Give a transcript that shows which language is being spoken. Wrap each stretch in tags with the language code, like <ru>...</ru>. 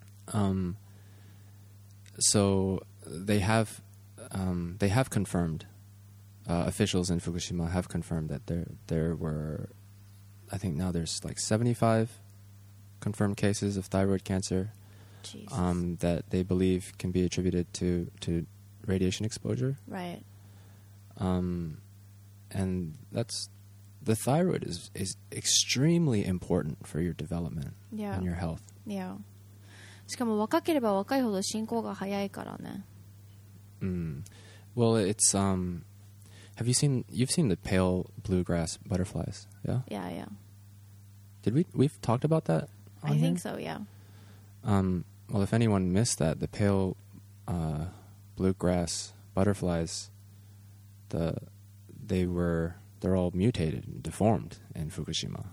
<en>So they have confirmed, officials in Fukushima have confirmed that there were, I think now there's like 75 confirmed cases of thyroid cancer, that they believe can be attributed to radiation exposure. Right. And that's, the thyroid is extremely important for your development and your health. Yeah.</en> <ja>しかも若ければ若いほど進行が早いからね。</ja> <en>Well, it's have you seen, you've seen the pale bluegrass butterflies? Yeah. Yeah, yeah. Did we've talked about that? I think so. Yeah. Well, if anyone missed that, the pale bluegrass butterflies, they're all mutated and deformed in Fukushima.</en>